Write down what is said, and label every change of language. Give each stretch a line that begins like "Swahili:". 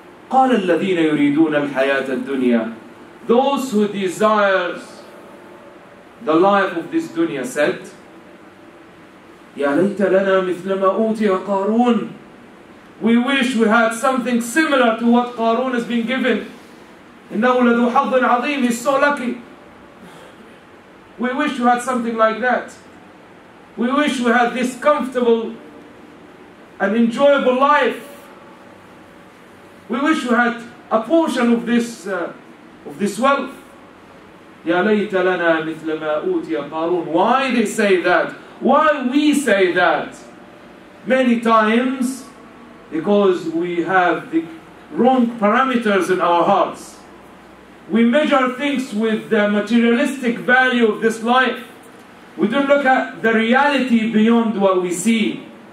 Arabic: قَالَ الَّذِينَ يُرِيدُونَ الْحَيَاةَ الدُّنْيَا
English: Those who desire the life of this dunya said,
Arabic: يَا لَيْتَ لَنَا مِثْلَ مَا أُوتِيَ قَارُونَ
English: We wish we had something similar to what Qarun has been given.
Arabic: إِنَّهُ لَذُو حَظٍ عَظِيمٍ
English: He's so lucky. We wish we had something like that. We wish we had this comfortable and enjoyable life. We wish we had a portion of this wealth.
Arabic: يَا لَيْتَ لَنَا مِثْلَ مَا أُوتِيَ قَارُونَ
English: Why they say that? Why we say that? Many times, because we have the wrong parameters in our hearts. We measure things with the materialistic value of this life. We don't look at the reality beyond what we see.